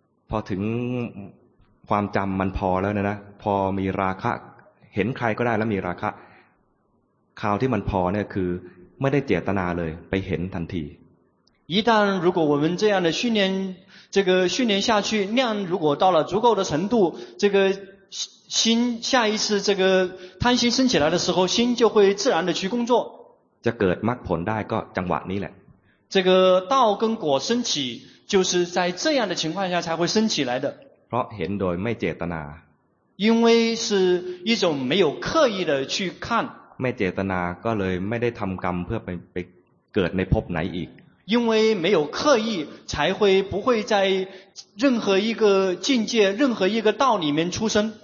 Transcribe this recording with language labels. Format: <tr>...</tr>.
<th>พอถึงความจำมันพอแล้วนะพอมีราคะเห็นใครก็ได้แล้วมีราคะคราวที่มันพอเนี่ยคือไม่ได้เจตนาเลยไปเห็นทันที</th> <zh>一旦如果我们这样的训练这个训练下去量如果到了足够的程度这个心下一次这个贪心升起来的时候心就会自然的去工作</zh> <th>จะเกิดมรรคผลได้ก็จังหวะนี้แหละ</th> <zh>这个道跟果升起就是在这样的情况下才会升起来的</zh> <th>เพราะเห็นโดยไม่เจตนา</th> <zh>因为是一种没有刻意的去看</zh> <th>ไม่เจตนาก็เลยไม่ได้ทำกรรมเพื่อไปเกิดในภพไหนอีก</th> <zh>因为没有刻意才会不会在任何一个境界任何一个道里面出生</zh>